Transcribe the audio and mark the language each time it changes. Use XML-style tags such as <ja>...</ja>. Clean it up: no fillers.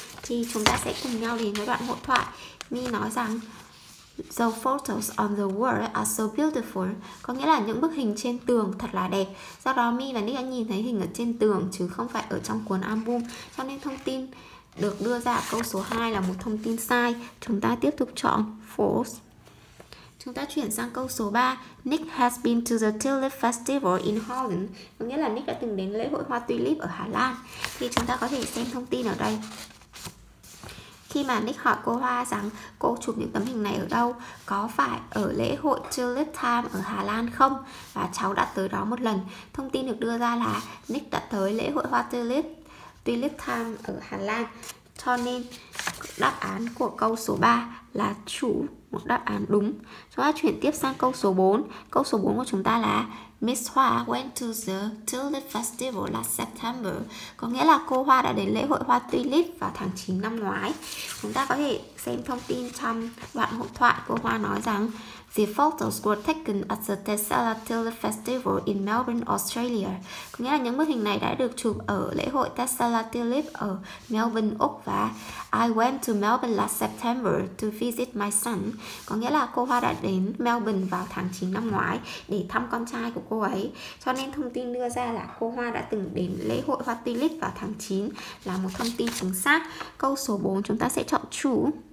<vi>Thì chúng ta sẽ cùng nhau đến với đoạn hội thoại. Mi nói rằng:</vi> <en>The photos on the wall are so beautiful.</en> <vi>Có nghĩa là những bức hình trên tường thật là đẹp. Do đó Mi và Nick đã nhìn thấy hình ở trên tường chứ không phải ở trong cuốn album. Cho nên thông tin được đưa ra câu số 2 là một thông tin sai. Chúng ta tiếp tục chọn false. Chúng ta chuyển sang câu số 3.</vi> <en>Nick has been to the Tulip Festival in Holland.</en> <vi>Có nghĩa là Nick đã từng đến lễ hội hoa tulip ở Hà Lan. Thì chúng ta có thể xem thông tin ở đây. Khi mà Nick hỏi cô Hoa rằng cô chụp những tấm hình này ở đâu, có phải ở lễ hội Tulip Time ở Hà Lan không? Và cháu đã tới đó một lần. Thông tin được đưa ra là Nick đã tới lễ hội hoa Tulip Time ở Hà Lan. Cho nên đáp án của câu số 3 là chủ một đáp án đúng. Chúng ta chuyển tiếp sang câu số 4. Câu số 4 của chúng ta là</vi> <en>Miss Hua went to the Tulip Festival last September.</en> <vi>Có nghĩa là cô Hoa đã đến lễ hội hoa tulip vào tháng 9 năm ngoái. Chúng ta có thể xem thông tin trong đoạn hội thoại. Cô Hoa nói rằng:</vi> <en>The photos were taken at the Tesla Tulip Festival in Melbourne, Australia.</en> <vi>Có nghĩa là những bức hình này đã được chụp ở lễ hội Tesla Tulip ở Melbourne, Úc. Và</vi> <en>I went to Melbourne last September to visit my son.</en> <vi>Có nghĩa là cô Hoa đã đến Melbourne vào tháng 9 năm ngoái để thăm con trai của cô ấy. Cho nên thông tin đưa ra là cô Hoa đã từng đến lễ hội hoa tulip vào tháng 9 là một thông tin chính xác. Câu số 4 chúng ta sẽ chọn true.</vi>